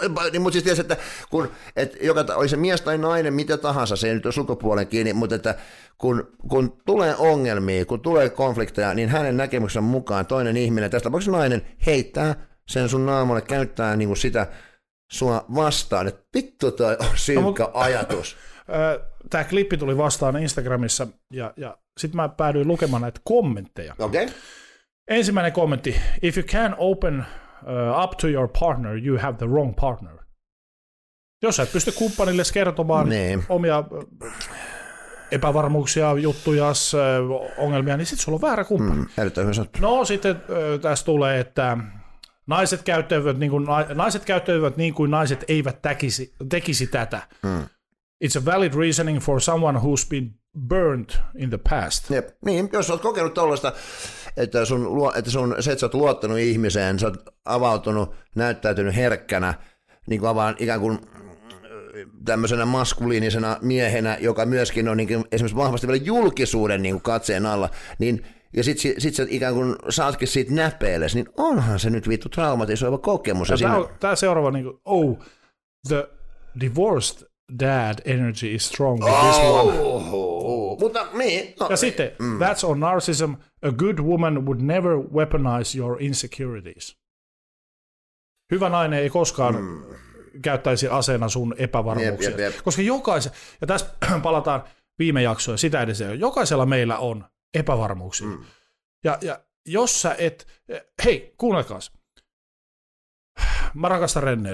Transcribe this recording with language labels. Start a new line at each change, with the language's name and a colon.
Finnish: Mutta siis tietysti, että kun, et joka, oli se mies tai nainen, mitä tahansa, se ei nyt ole sukupuolen kiinni, mutta että kun tulee ongelmia, kun tulee konflikteja, niin hänen näkemyksensä mukaan toinen ihminen, tässä tapauksessa nainen, heittää sen sun naamalle, käyttää niin kuin sitä sua vastaan, että vittu toi on synkkä ajatus. Tämä klippi tuli vastaan Instagramissa ja sitten mä päädyin lukemaan näitä kommentteja.
English: Okay.
Finnish: Ensimmäinen kommentti.
English: If you can open up to your partner, you have the wrong partner.
Finnish: Jos et pysty kumppanille kertomaan omia epävarmuuksia, juttuja, ongelmia, niin sitten sulla on väärä kumppani. No sitten tässä tulee, että naiset käyttäytyvät niin kuin naiset eivät tekisi tätä.
English: It's a valid reasoning for someone who's been burned in the past. Yep.
Finnish: Niin, jos olet kokenut tollaista, että sä oot luottanut ihmiseen, sä oot avautunut, näyttäytynyt herkkänä, niin kuin vaan ikään kuin tämmöisenä maskuliinisena miehenä, joka myöskin on niin kuin esimerkiksi vahvasti vielä julkisuuden niin kuin katseen alla, niin ja sit sä ikään kuin saatkin siitä näpeelles, niin onhan se nyt vittu traumatisoiva kokemus. Ja tää seuraava, niin kuin,
English: oh, the divorced dad energy is strong with this one.
Finnish: Mutta niin. Ja sitten,
English: that's on narcissism. A good woman would never weaponize your insecurities.
Finnish: Hyvä nainen ei koskaan käyttäisi aseena sun epävarmuuksia.
English: Yep.
Finnish: Koska jokaisella, ja tässä palataan viime jaksoja, sitä edes, jokaisella meillä on epävarmuuksia. Mm. Ja jos sä et, hei, kuunnelkaas. Mä rakastan Renneä.